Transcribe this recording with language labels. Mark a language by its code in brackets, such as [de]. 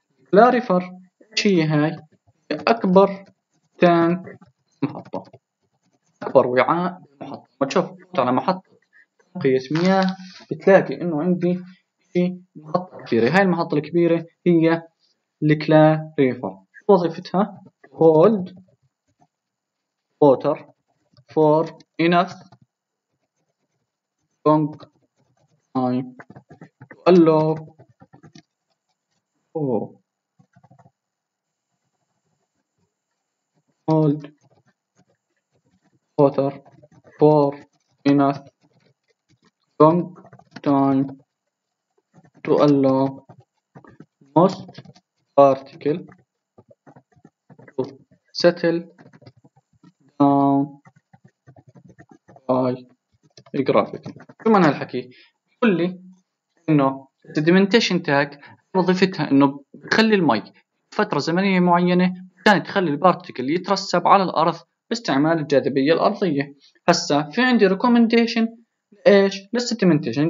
[ar] كلاريفر إيش هي هاي؟ أكبر تانك محطة، أكبر وعاء محطة. ما تشوف على محطة تنقية مياه بتلاقي إنه عندي في محطة كبيرة، هاي المحطة الكبيرة هي الكلاريفر. شو وظيفتها؟ [en] hold water for enough long time to allow hold water for enough long time to allow most particles to settle down by gravity. [ar] شو معنى هالحكي؟ بقول لي انه sedimentation tag وظيفتها انه بخلي المي فترة زمنية معينة عشان تخلي البارتيكل يترسب على الأرض باستعمال الجاذبية الأرضية. هسا في عندي ريكومنديشن لإيش؟ للسيدمنتيشن.